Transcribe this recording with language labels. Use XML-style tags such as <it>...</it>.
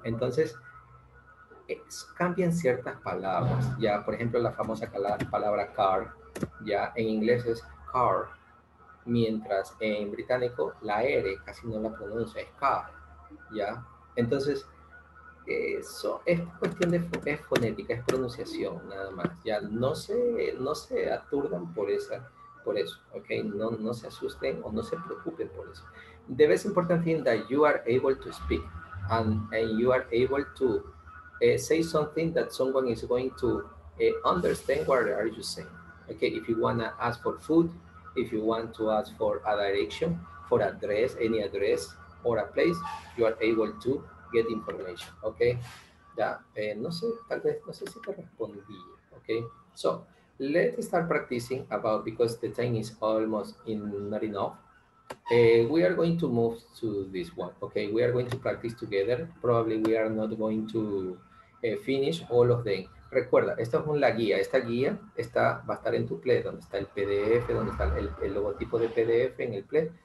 <es>Entonces, cambian ciertas palabras, ya, por ejemplo, la famosa palabra car, ya, en inglés es car, mientras en británico la R casi no la pronuncia, es car, ya, entonces, eso es cuestión de es fonética, es pronunciación, nada más. Ya no se aturdan por eso, ¿ok? No se asusten o no se preocupen por eso.</es> <en>The best important thing that you are able to speak and you are able to say something that someone is going to understand what are you saying. Okay, if you want to ask for food, if you want to ask for a direction, for address, any address or a place, you are able to get information.</en> <es>Okay, ya, no sé, tal vez, no sé si te respondí.</es> <en>Okay, so let's start practicing about, because the time is almost not enough. We are going to move to this one. Okay, we are going to practice together. Probably we are not going to finish all of them.</en> <es>Recuerda, esta es una guía. Esta guía va a estar en tu play, donde está el PDF, donde está el logotipo de PDF en el play.</es>